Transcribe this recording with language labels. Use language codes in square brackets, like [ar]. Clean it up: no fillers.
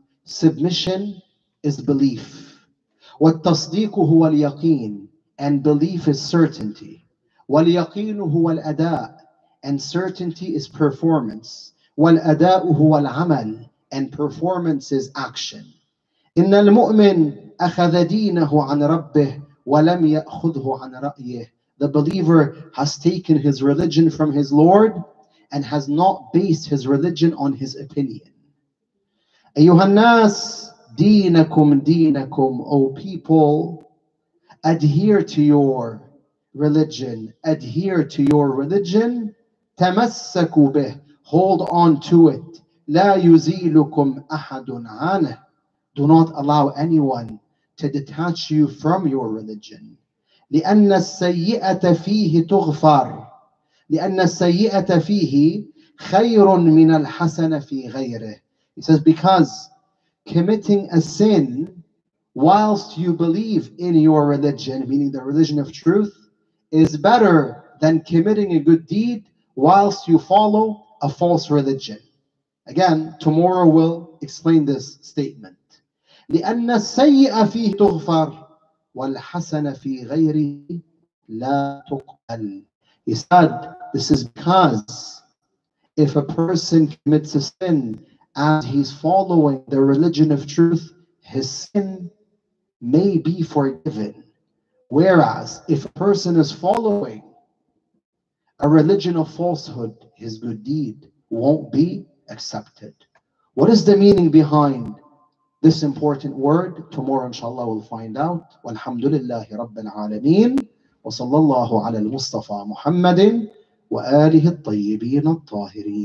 [en] Submission is belief. [ar] والتصديق هو اليقين. [en] And belief is certainty. [ar] واليقين هو الأداء. [en] And certainty is performance. [ar] والأداء هو العمل. [en] And performance is action. [ar] إن المؤمن أخذ دينه عن ربه ولم يأخذه عن رأيه. [en] The believer has taken his religion from his Lord and has not based his religion on his opinion. [ar] أيها الناس دينكم دينكم. [en] O people, adhere to your religion. Adhere to your religion. [ar] تمسكوا به. [en] Hold on to it. [ar] لا يزيلكم أحد عنه. [en] Do not allow anyone to detach you from your religion. [ar] لأن السيئة فيه تغفر. لأن السيئة فيه خير من الحسن في غيره. [en] He says, because committing a sin whilst you believe in your religion, meaning the religion of truth, is better than committing a good deed whilst you follow a false religion. Again, tomorrow we'll explain this statement. لأن السيئة فيه تغفر والحسن في غيره لا تقبل. He said, this is because if a person commits a sin as he's following the religion of truth, his sin may be forgiven. Whereas if a person is following a religion of falsehood, his good deed won't be accepted. What is the meaning behind this important word? Tomorrow, inshallah, we'll find out. [ar] Walhamdulillahi Rabbil Alameen. وصلى الله على المصطفى محمد وآله الطيبين الطاهرين.